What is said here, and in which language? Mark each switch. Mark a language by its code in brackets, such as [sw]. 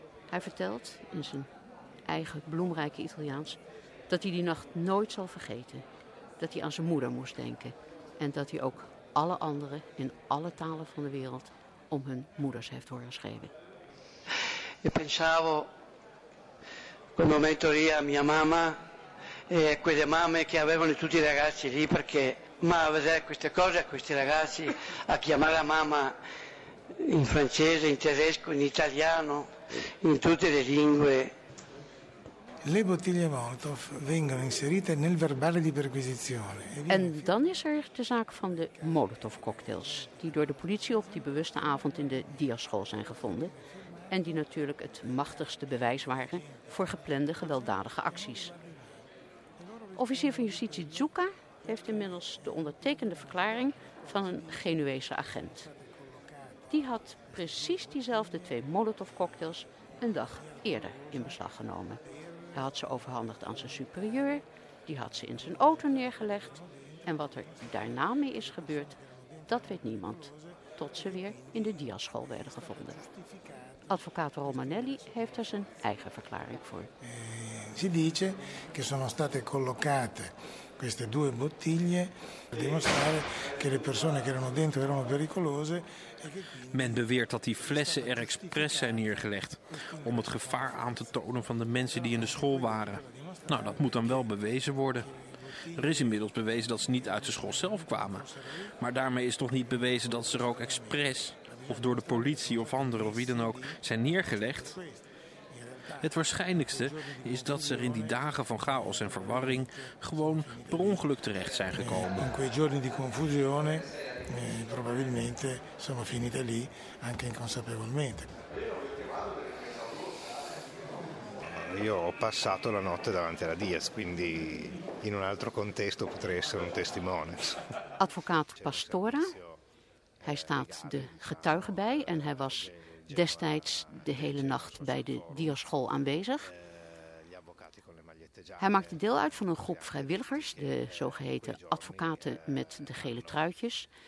[nl] Hij vertelt in zijn eigen bloemrijke Italiaans dat hij die nacht nooit zal vergeten. Dat hij aan zijn moeder moest denken. En dat hij ook alle anderen in alle talen van de wereld om hun moeders heeft horen schreeuwen. [it] Ik pensavo quel momento lì a mia mamma e a quelle mamme che avevano tutti i ragazzi lì perché. Ma a vedere queste cose, a questi ragazzi, a chiamare la mamma in francese, in tedesco, in italiano, in tutte le lingue. Le bottiglie Molotov vengono inserite nel verbale di perquisizione. [nl] En dan is er de zaak van de Molotov cocktails, die door de politie op die bewuste avond in de diaschool zijn gevonden. En die natuurlijk het machtigste bewijs waren voor geplande gewelddadige acties. Officier van Justitie Zucca heeft inmiddels de ondertekende verklaring van een Genuese agent. Die had precies diezelfde twee Molotov-cocktails een dag eerder in beslag genomen. Hij had ze overhandigd aan zijn superieur, die had ze in zijn auto neergelegd. En wat er daarna mee is gebeurd, dat weet niemand. Tot ze weer in de diaschool werden gevonden. Advocaat Romanelli heeft er zijn eigen verklaring voor. [it] Si dice che sono state collocate queste due bottiglie per dimostrare che le persone che erano dentro erano pericolose. [nl] Men beweert dat die flessen er expres zijn neergelegd om het gevaar aan te tonen van de mensen die in de school waren. Nou, dat moet dan wel bewezen worden. Er is inmiddels bewezen dat ze niet uit de school zelf kwamen. Maar daarmee is toch niet bewezen dat ze er ook expres of door de politie of anderen of wie dan ook zijn neergelegd. Het waarschijnlijkste is dat ze er in die dagen van chaos en verwarring gewoon per ongeluk terecht zijn gekomen. [it] In quei giorni di confusione probabilmente sono finite lì anche inconsapevolmente. Io ho passato la notte davanti alla Diaz, quindi in un altro contesto potrei essere un testimone. [nl] Advocaat Pastora, hij staat de getuige bij en hij was destijds de hele nacht bij de Diaz-school aanwezig. Hij maakte deel uit van een groep vrijwilligers, de zogeheten advocaten met de gele truitjes.